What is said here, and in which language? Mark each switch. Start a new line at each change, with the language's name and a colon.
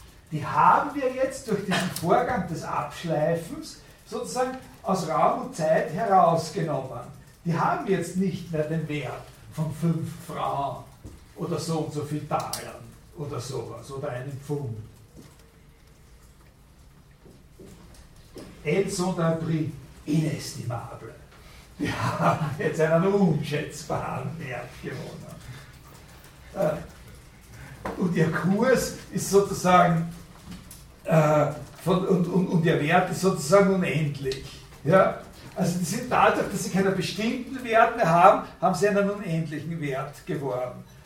German: Die haben wir jetzt durch diesen Vorgang des Abschleifens sozusagen aus Raum und Zeit herausgenommen. Die haben jetzt nicht mehr den Wert von 5 Frauen oder so und so viel Talern oder sowas oder einen Pfund.
French: Et son prix inestimable.
German: Die haben jetzt einen unschätzbaren Wert gewonnen. Und ihr Kurs ist sozusagen und ihr Wert ist sozusagen unendlich. Ja? Also die sind dadurch, dass sie keine bestimmten Werte haben, haben sie einen unendlichen Wert geworden.